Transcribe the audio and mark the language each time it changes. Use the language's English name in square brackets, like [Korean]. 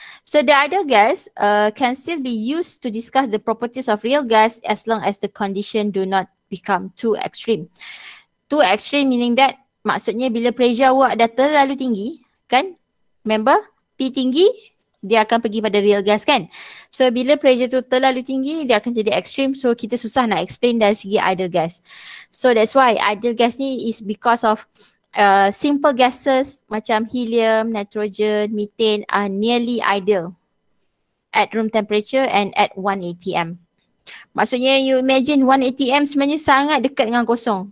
[English] So the ideal gas can still be used to discuss the properties of real gas as long as the condition do not become too extreme. Too extreme meaning that [Malay] maksudnya bila pressure awak dah terlalu tinggi, kan? [English] Remember, [Malay] P tinggi, dia akan pergi pada real gas kan. So bila pressure tu terlalu tinggi, dia akan jadi extreme. So kita susah nak explain dari segi ideal gas. [English] So that's why ideal gas ni is because of simple gases macam helium, nitrogen, methane are nearly ideal at room temperature and at 1 ATM. [Malay] Maksudnya [English] you imagine [Malay] 1 ATM sebenarnya sangat dekat dengan kosong.